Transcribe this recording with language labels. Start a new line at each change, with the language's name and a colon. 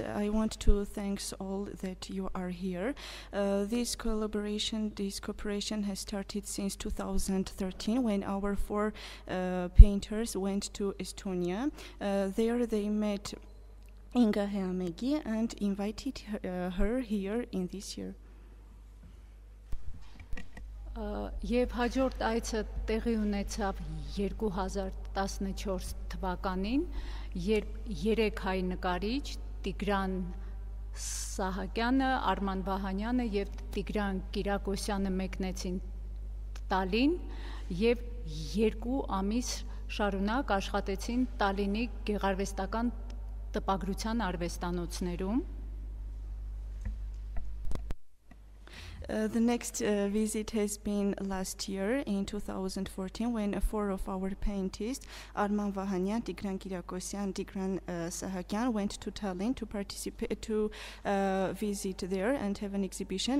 English: I want to thank all that you are here. This cooperation has started since 2013 when our four painters went to Estonia. There they met Inga Hiamegi and invited her here in this year.
Armenian: Եվ հաջորդ այցը տեղի ունեցավ 2014 թվականին, երբ 3 հայ նկարիչ՝ Տիգրան Սահակյանը, Արման Վահանյանը եւ Տիգրան Կիրակոսյանը մեկնեցին Տալին եւ 2 ամիս շարունակ աշխատեցին Տալինի գեղարվեստական տպագրության արվեստանոցներում։
English: The next visit has been last year in 2014 when four of our paintists, Arman Vahanyan, Tigran Kirakosyan, Tigran Sahakyan, went to Tallinn to participate, to visit there and have an exhibition.